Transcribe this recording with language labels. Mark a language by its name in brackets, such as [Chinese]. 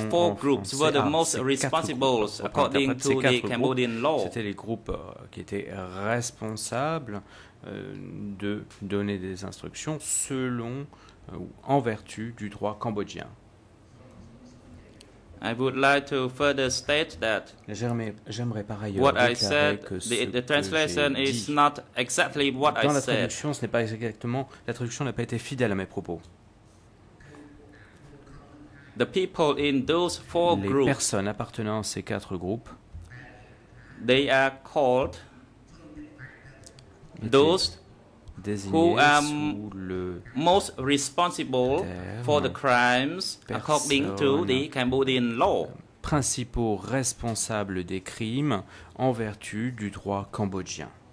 [English] These four groups were the most responsible according to the Cambodian law. [French] C'étaient les groupes qui étaient responsables de donner des instructions selon ou en vertu du droit cambodgien. [English] I would like to further state that [French] j'aimerais par ailleurs déclarer que [English] the translation is not exactly what I said. [French] Dans la traduction, ce n'est pas exactement, la traduction n'a pas été fidèle à mes propos. [English] The people in those four [French] les [English] groups, [French] personnes appartenant à ces quatre groupes, [English] they are called those who are most responsible for the crimes according to the Cambodian law. [French] Principaux responsables des crimes en vertu du droit cambodgien.